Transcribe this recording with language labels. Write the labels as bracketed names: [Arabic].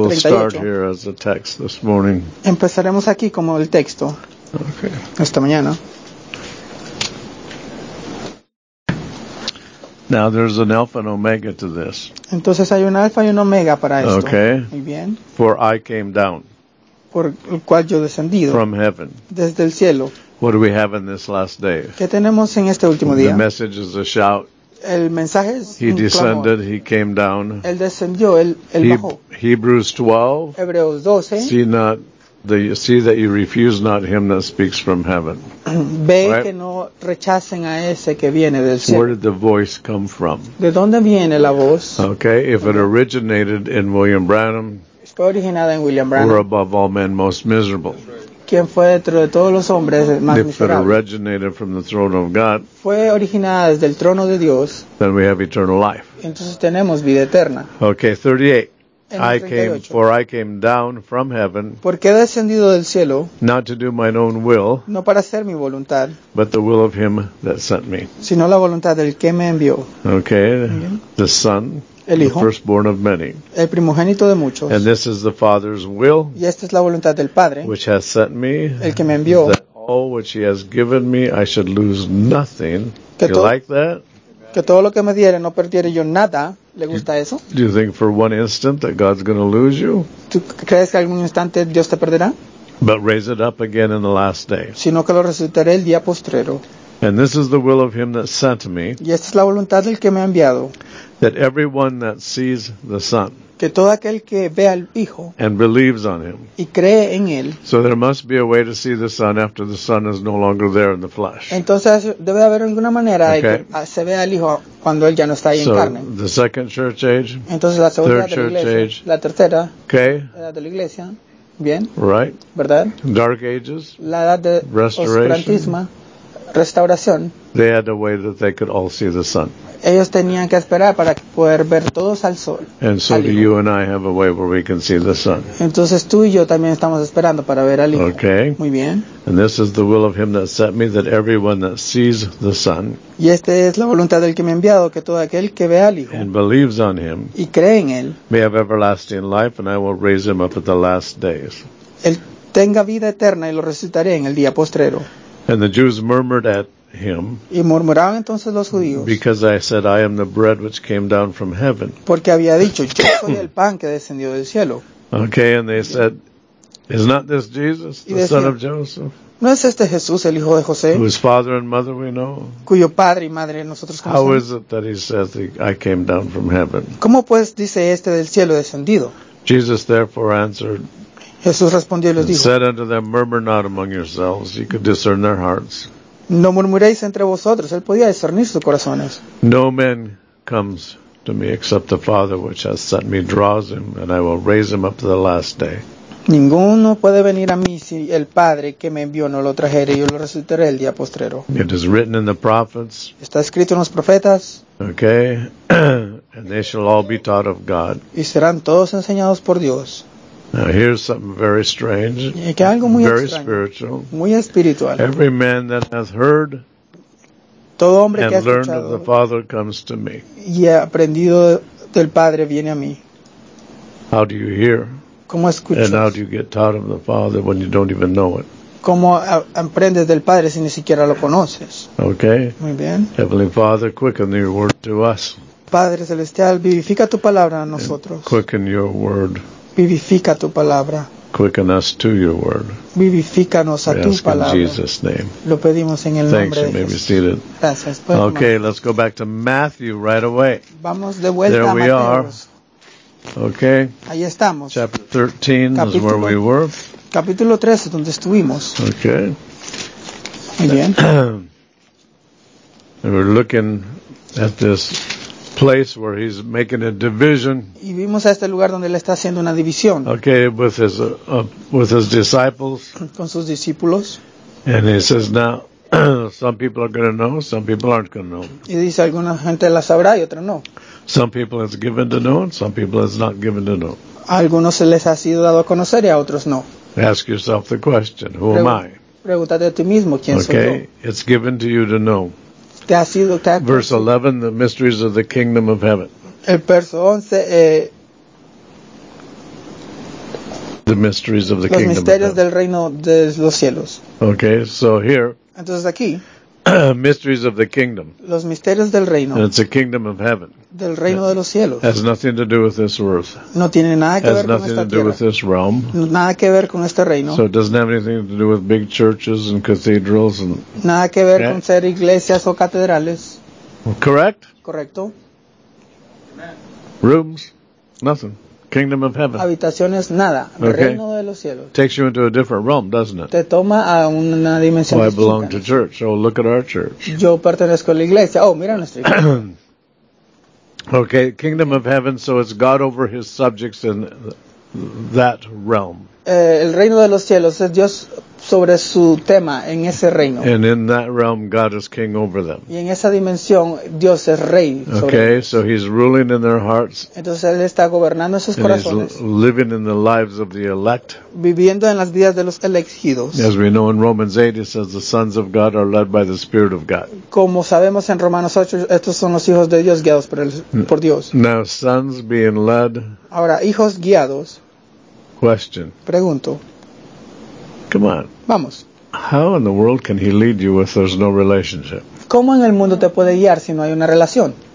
[English] We'll start here as a text this morning. [Spanish] Empezaremos aquí como el texto. [English] Okay. [Spanish] Esta mañana. [English] Now there's an alpha and omega to this. [Spanish] Entonces hay un alfa y un omega para esto. [English] Okay. [Spanish] Muy bien. [English] For I came down. [Spanish] Por el cual yo descendido. [English] From heaven. [Spanish] Desde el cielo. [English] What do we have in this last day? [Spanish] ¿Qué tenemos en este último día? [English] The message is a shout. [Spanish] El mensaje es [English] He descended, he came down. [Spanish] Él descendió, él bajó. [English] Hebrews 12. [Spanish] Hebreos 12. [English] See not They see that you refuse not him that speaks from heaven. Right? [Spanish] Que no rechacen a ese que viene del cielo. [English] Where did the voice come from? [Spanish] ¿De dónde viene la voz? [English] Okay, if it originated in William Branham, [Spanish] fue originada en William Branham, [English] we're above all men most miserable. [Spanish] ¿Quién fue dentro de todos los hombres más [English] if [Spanish] miserable? [English] It originated from the throne of God, [Spanish] fue originada desde el trono de Dios, [English] then we have eternal life. [Spanish] Entonces tenemos vida eterna. [English] Okay, 38. I came down from heaven, [Spanish] porque he descendido del cielo, [English] not to do my own will, [Spanish] no para hacer mi voluntad, [English] but the will of him that sent me, [Spanish] sino la voluntad del que me envió. [English] Okay, the Son, [Spanish] el Hijo, [English] the firstborn of many, [Spanish] el primogénito de muchos. [English] And this is the Father's will, [Spanish] y esta es la voluntad del Padre, [English] which has sent me, [Spanish] el que me envió, [English] that all which he has given me I should lose nothing. You like that? [Spanish] Que todo lo que me diere no perdiere yo nada. ¿Le gusta eso? [English] Do you think for one instant that God's going to lose you? [Spanish] ¿Tú crees que algún instante Dios te perderá? [English] But raise it up again in the last day. [Spanish] Sino que lo resucitaré el día postrero. [English] And this is the will of him that sent me. [Spanish] Y esta es la voluntad del que me ha enviado. [English] That everyone that sees the Son. [Spanish] Que todo aquel que vea al Hijo. [English] And believes on him. [Spanish] Y cree en él. [English] So there must be a way to see the Son after the Son is no longer there in the flesh. [Spanish] Entonces debe haber alguna manera de que se vea al Hijo cuando él ya no está ahí en carne. [English] The second church age. [Spanish] Entonces la segunda de la iglesia. [English] Age, [Spanish] la tercera. [English] Okay. [Spanish] La de la iglesia. Bien. [English] Right. [Spanish] ¿Verdad? [English] Dark ages. [Spanish] La edad de [English] restauración. [Spanish] Restauración. [English] They had a way that they could all see the Son. [Spanish] Ellos tenían que esperar para poder ver todos al sol. [English] And so do you and I have a way where we can see the Son. [Spanish] Entonces tú y yo también estamos esperando para ver al Hijo. [English] Okay. [Spanish] Muy bien. [English] And this is the will of him that sent me, that everyone that sees the Son. [Spanish] Y esta es la voluntad del que me ha enviado, que todo aquel que ve al Hijo. [English] And believes on him. [Spanish] Y cree en él. [English] May have everlasting life, and I will raise him up at the last days. [Spanish] Él tenga vida eterna y lo resucitaré en el día postrero. [English] And the Jews murmured at him, [Spanish] y murmuraban entonces los judíos, [English] because I said, I am the bread which came down from heaven. [Spanish] Porque había dicho, yo soy el pan que descendió del cielo. [English] Okay, and they said, is not this Jesus, the son of Joseph? [Spanish] ¿No es este Jesús, el hijo de José? [English] Whose father and mother we know? [Spanish] Cuyo padre y madre nosotros conocemos. [English] How is it that he says, I came down from heaven? [Spanish] ¿Cómo pues dice este del cielo descendido? [English] Jesus therefore answered, [Spanish] Jesús respondió y les dijo, [English] said unto them, murmur not among yourselves. You could discern their hearts. [Spanish] No murmuréis entre vosotros. Él podía discernir sus corazones. [English] No man comes to me except the Father which has sent me draws him, and I will raise him up to the last day. [Spanish] Ninguno puede venir a mí si el Padre que me envió no lo trajere, y yo lo resucitaré el día postrero. [English] It is written in the prophets. [Spanish] Está escrito en los profetas. [English] Okay. And they shall all be taught of God. [Spanish] Y serán todos enseñados por Dios. [English] Now here's something very strange, [Spanish] que algo muy [English] very [Spanish] extraño, [English] spiritual. [Spanish] Muy espiritual. [English] Every man that has heard [Spanish] todo hombre [English] and [Spanish] que ha [English] learned [Spanish] escuchado, [English] of the Father comes to me. [Spanish] Y ha aprendido del Padre viene a mí. [English] How do you hear? [Spanish] ¿Cómo escuchas? [English] And how do you get taught of the Father when you don't even know it? [Spanish] ¿Cómo aprendes del Padre si ni siquiera lo conoces? [English] Okay. [Spanish] Muy bien. [English] Heavenly Father, quicken your word to us. [Spanish] Padre Celestial, vivifica tu palabra a nosotros. [English] Quicken your word. [Spanish] Vivifica tu palabra. [English] Quicken us to your word. [Spanish] Vivifícanos a tu palabra. [English] In Jesus name. [Spanish] Lo pedimos en el [English] thanks, [Spanish] nombre de Jesús. [English] Thanks, you may Jesus. Be seated. [Spanish] Gracias. [English] Okay, [Spanish] tomar. [English] Let's go back to Matthew right away. [Spanish] Vamos de vuelta [English] there [Spanish] a Mateo. [English] There we are. Okay. [Spanish] Ahí estamos. [English] Chapter 13 [Spanish] capítulo, [English] is where we were. [Spanish] Capítulo 13, donde estuvimos. [English] Okay. [Spanish] Muy bien. [English] We're looking at this place where he's making a division. [Spanish] Y vimos a este lugar donde él está haciendo una división. [English] Okay, with his disciples. [Spanish] Con sus discípulos. [English] And he says, now some people are going to know, some people aren't going to know. [Spanish] Y dice, alguna gente la sabrá y otra no. [English] Some people it's given to know, and some people it's not given to know. [Spanish] A algunos se les ha sido dado a conocer y a otros no. [English] Ask yourself the question, who am I? [Spanish] Pregúntate a ti mismo quién soy yo. [English] Okay, it's given to you to know. Verse 11, the mysteries of the kingdom of heaven. [Spanish] El verso 11, [English] the mysteries of the [Spanish] los [English] kingdom [Spanish] misterios [English] of heaven. [Spanish] Del reino de los cielos. [English] Okay, so here. [Spanish] Entonces aquí. [English] Mysteries of the kingdom. [Spanish] Los misterios del reino. [English] And it's a kingdom of heaven. [Spanish] Del reino de los cielos. [English] Has nothing to do with this earth. [Spanish] No tiene nada que ver con esta tierra. [English] Has nothing to do with this realm. [Spanish] Nada que ver con este reino. [English] So it doesn't have anything to do with big churches and cathedrals and. [Spanish] Nada que ver con ser iglesias o catedrales. [English] Correct. [Spanish] Correcto. [English] Rooms. Nothing. kingdom of heaven. [Spanish] Habitaciones, nada. Okay. Reino de los cielos. [English] Takes you into a different realm, doesn't it? [Spanish] Te toma a una dimensión distinta. [English] Oh, I belong to church. Oh, look at our church. [Spanish] Yo pertenezco a la iglesia. Oh, mira nuestra iglesia. [English] Okay, kingdom of heaven, so it's God over his subjects in that realm. [Spanish] El reino de los cielos es Dios sobre su tema en ese reino. [English] And in that realm, God is king over them. [Spanish] Y en esa dimensión, Dios es rey sobre ellos. [English] Okay, so he's ruling in their hearts. [Spanish] Entonces él está gobernando esos [English] and [Spanish] corazones. [English] He's living in the lives of the elect. [Spanish] Viviendo en las vidas de los elegidos. [English] As we know in Romans 8, it says the sons of God are led by the Spirit of God. [Spanish] Como sabemos en Romanos 8, estos son los hijos de Dios guiados por Dios. [English] Now sons being led. [Spanish] Ahora hijos guiados. [English] Question. [Spanish] Pregunto. [English] Come on. [Spanish] Vamos. [English] How in the world can he lead you if there's no relationship? [Spanish] ¿Cómo en el mundo te puede guiar si no hay una relación?